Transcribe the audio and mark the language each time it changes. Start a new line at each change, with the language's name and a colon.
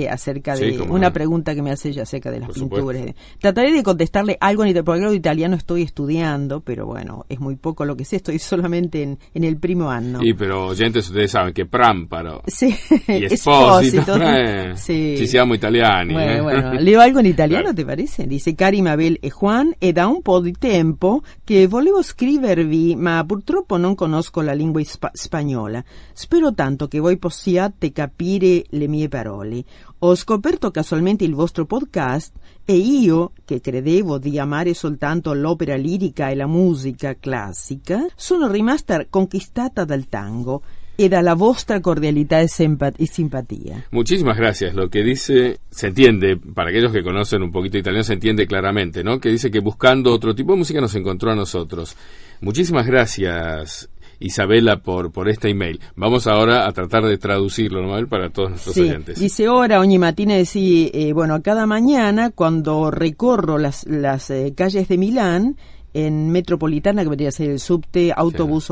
Spanish: Acerca de sí, una pregunta que me hace ella acerca de las pinturas. Supuesto. Trataré de contestarle algo, porque algo de italiano estoy estudiando, pero bueno, es muy poco lo que sé, estoy solamente en el primo año. Sí, pero ya ustedes saben que Prámparo sí. Y Espósito, sí.
Italian: Si siamo italiani.
Spanish: Bueno, leo algo en italiano, ¿te parece?
Italian: Dice: cari Mabel e Juan, è da un po' di tempo che volevo scrivervi, ma purtroppo non conosco la lingua spagnola. Spero tanto che voi possiate capire le mie parole. Ho scoperto casualmente il vostro podcast e io, che credevo di amare soltanto l'opera lirica e la musica classica, sono rimasta conquistata dal tango e dalla vostra cordialità e simpatia.
Spanish: Muchísimas gracias. Lo que dice, se entiende, para aquellos que conocen un poquito italiano, se entiende claramente, ¿no? Que dice que buscando otro tipo de música nos encontró a nosotros. Muchísimas gracias, Isabella, por este email. Vamos ahora a tratar de traducirlo, ¿no, Mabel? Para todos nuestros sí. oyentes. Dice:
Italian: ora, ogni mattina,
Spanish: sí, bueno, cada mañana cuando recorro las calles de Milán, en metropolitana, que podría ser el subte, autobús sí.